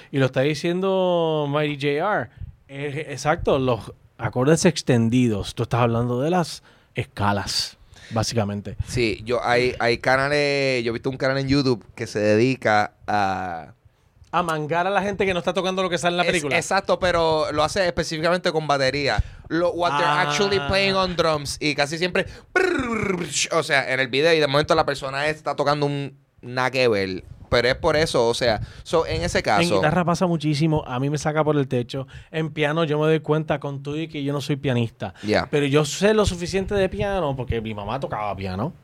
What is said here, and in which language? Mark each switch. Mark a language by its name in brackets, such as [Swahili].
[Spanish] Y lo está diciendo Mighty JR. Exacto, los acordes extendidos. Tú estás hablando de las escalas, básicamente. Sí, yo hay canales. Yo he visto un canal en YouTube que se dedica a... A mangar a la gente que no está tocando lo que sale en la película. Exacto, pero lo hace específicamente con batería. [English] They're actually playing on drums. [Spanish] Y casi siempre... O sea, en el video y de momento la persona está tocando un... Nada que ver. pero es por eso, o sea, so, en ese caso... En guitarra pasa muchísimo, a mí me saca por el techo. En piano yo me doy cuenta con tú y que yo no soy pianista. [English] Yeah. [Spanish] Pero yo sé lo suficiente de piano, porque mi mamá tocaba piano.